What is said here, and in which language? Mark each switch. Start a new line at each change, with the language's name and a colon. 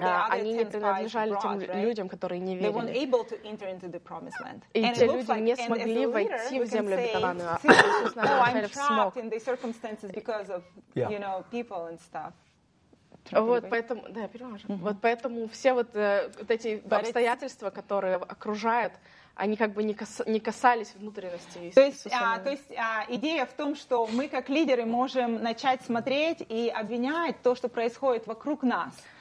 Russian: Они не принадлежали тем людям, которые не верили. И те люди не смогли войти в землю обетованную.
English: Because of you know people and stuff.
Russian: Вот поэтому, да, вот поэтому все вот эти обстоятельства, которые окружают, они как бы не касались внутренности. То есть идея в том, что мы как лидеры можем начать смотреть и обвинять то, что происходит вокруг нас.